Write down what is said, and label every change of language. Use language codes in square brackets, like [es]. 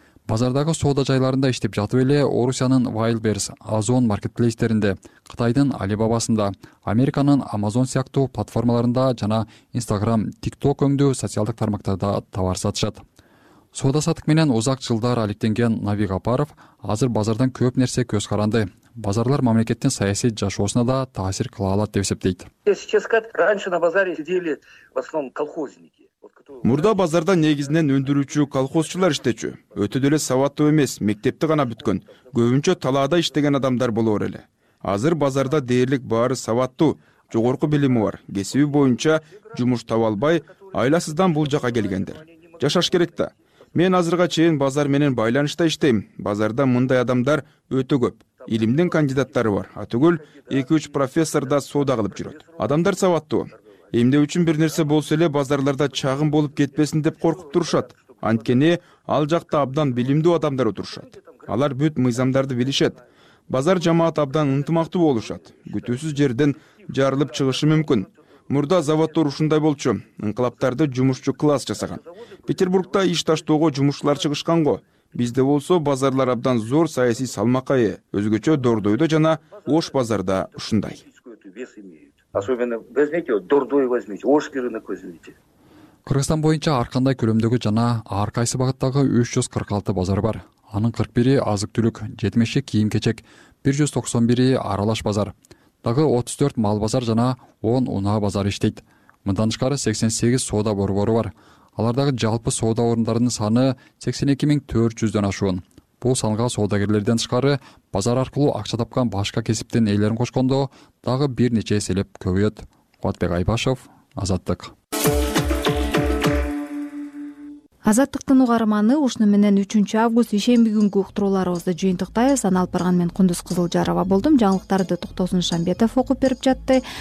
[ky] Базардагы соода жайларында иштеп жатып эле Орусиянын Wildberries, Ozon маркетплейстеринде, Кытайдын Alibaba'сында, Американын Amazon сыяктуу платформаларында жана Instagram, TikTok өңдүү социалдык тармактарда товар сатышат. Соода сатык менен узак жылдар алектенген Навиг Апаров азыр базардан көп нерсе көз каранды. Базарлар мамлекеттин саясий жашоосуна да таасир кыла алат деп эсептейт. [ru] Раньше на базаре сидели в основном колхозники. [ky] Мурда базарда негизинен өндүрүүчү колхозчулар иштечү. Өтө деле сабаттуу эмес, мектепти гана бүткөн, көбүнчө талаада иштеген адамдар болоор эле. Азыр базарда дээрлик баары сабаттуу, жогорку билими бар, кесиби боюнча жумуш таба албай, айласыздан бул жака келгендер. Жашаш керек да. Мен азырга чейин базар менен байланышта иштейм. Базарда мындай адамдар өтө көп. Илимдин кандидаттары бар. Атүгүл 2-3 профессор да соода кылып жүрөт. Адамдар сабаттуу. эмне үчүн бир нерсе болсо эле базарларда чагым болуп кетпесин деп коркуп турушат. Анткени ал жакта абдан билимдүү адамдар отурушат. Алар бүт мыйзамдарды билишет. Базар жамаат абдан ынтымактуу болушат. Күтүүсүз жерден жарылып чыгышы мүмкүн. Мурда заводтор ушундай болчу. Инкылаптарды жумушчу класс жасаган. Петербургда иш таштоого жумушчулар чыгышкан го. Бизде болсо базарлар абдан зор саясий салмакка ээ. Өзгөчө Дордойдо жана Ош базарда ушундай. [ru] Особенно возьмите вот Дордой, возьмите Ошский рынок, возьмите. [ky] Кыргызстан боюнча ар кандай көлөмдөгү жана ар кайсы багыттагы 346 базар бар. Анын 41 азык-түлүк, 72 кийим-кечек, 191 аралаш базар. Дагы 34 мал базар жана 10 унаа базары иштейт. Мындан тышкары 88 соода борбору бар. Алардагы жалпы соода орундарынын саны 82400 ашуун. Бул санга соодагерлерден тышкары базар аркылуу акча тапкан башка кесиптин ээлерин кошкондо дагы бир нече эселеп көбөйөт. Кубатбек Айбашев, Азаттык. Азаттыктын угарманы ушуну менен 3-август ишемби күнкү уктурууларыбызды жыйынтыктайбыз. Аны алып барган мен Кундуз Кызылжарова болдум. Жаңылыктарды Токтосун Шамбетов окуп берип жатты.